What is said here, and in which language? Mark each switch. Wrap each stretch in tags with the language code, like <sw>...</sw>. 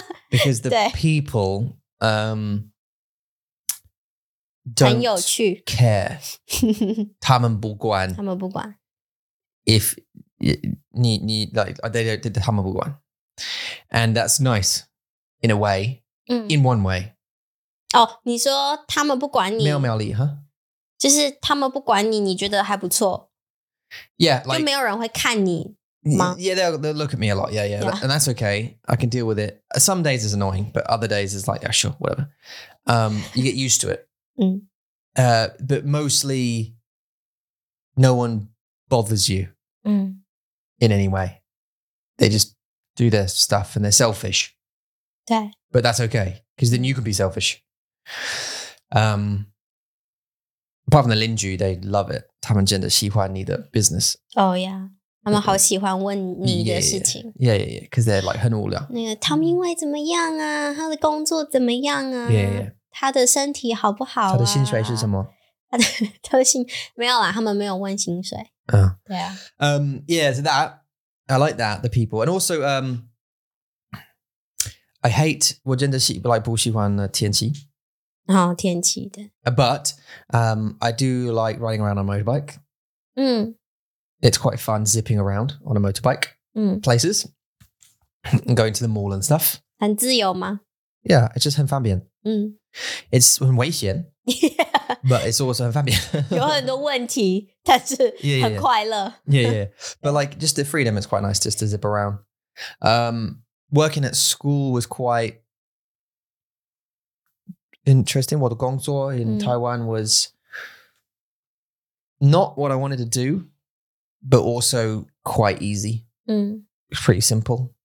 <en>Because the people don't care.</en> <zh>他们不管。他们不管。</zh> <en>If 你 like, they don't,</en> <zh>他们不管。</zh> <en>And that's nice in a way, in one way.</en> <zh>Oh, 你说他们不管你。没有魅力, huh? 就是他们不管你,你觉得还不错。</zh> <en>Yeah, like,</en> <zh>就没有人会看你。</zh> <en>Yeah, they'll look at me a lot. Yeah, yeah, yeah. And that's okay. I can deal with it. Some days it's annoying, but other days it's like, yeah, sure, whatever. You get used to it. But mostly, no one bothers you in any way. They just do their stuff and they're selfish. But that's okay, because then you can be selfish. Apart from the Linju, they love it.</en> <zh>他们真的喜欢你的 business.</zh> <en>Oh, yeah.</en> <zh>他们好喜欢问你的事情</zh> <en>Yeah, because they're like</en> <zh>很无聊那个汤明威怎么样啊他的工作怎么样啊</zh> <en>Yeah,</en> <zh>他的身体好不好啊他的薪水是什么他的薪没有啦他们没有问薪水、对啊</zh> <en>Yeah, so that I like that, the people And also I hate</en> <zh>我真的是</zh> <en>like,</en> <zh>不喜欢天气哦天气的</zh> <en>But I do like riding around on a motorbike It's quite fun zipping around on a motorbike places and going to the mall and stuff.</en> <zh>很自由吗?</zh> <en>Yeah, it's just</en> <zh>很方便.</zh> <en>It's</en> <zh>很危险,</zh> <en>but it's also 很方便.</en> <zh>有很多问题,但是很快乐.</zh> <en>Yeah. But like just the freedom is quite nice just to zip around. Working at school was quite interesting.</en> <zh>我的工作</zh> <en>in Taiwan was not what I wanted to do. But also quite easy. It's pretty simple.</en>